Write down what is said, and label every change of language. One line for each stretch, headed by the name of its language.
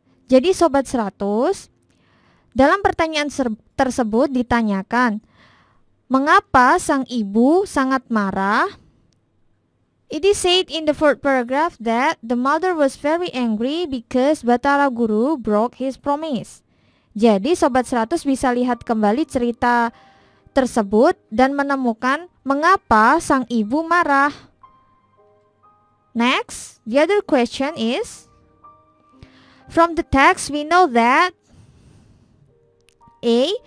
Indonesian: Jadi Sobat 100, dalam pertanyaan tersebut ditanyakan, mengapa sang ibu sangat marah?
English: It is said in the fourth paragraph that the mother was very angry because Batara Guru broke his promise.
Indonesian: Jadi Sobat 100 bisa lihat kembali cerita tersebut dan menemukan mengapa sang ibu marah.
English: Next, the other question is, from the text we know that A.